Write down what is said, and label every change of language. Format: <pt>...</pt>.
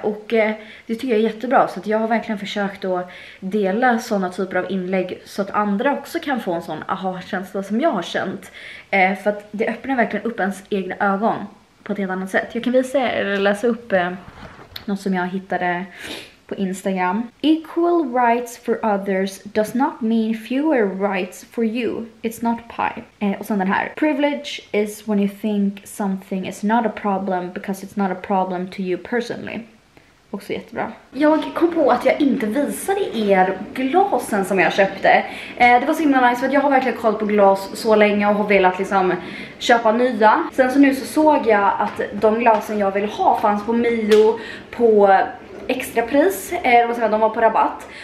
<sv>Och det tycker jag är jättebra. Så att jag har verkligen försökt att dela sådana typer av inlägg så att andra också kan få en sån aha-känsla som jag har känt. För att det öppnar verkligen upp ens egna ögon på ett helt annat sätt. Jag kan visa eller läsa upp något som jag hittade på Instagram.</sv> <en>Equal rights for others does not mean fewer rights for you. It's not pie.</en> <sv>Och sen den här.</sv> <en>Privilege is when you think something is not a problem because it's not a problem to you personally.</en> <sv>Också jättebra. Jag kom på att jag inte visade er glasen som jag köpte. Det var så himla nice för att jag har verkligen kollat på glas så länge och har velat liksom köpa nya. Sen så nu så såg jag att de glasen jag ville ha fanns på Mio på extra pris, de var på rabatt.</sv>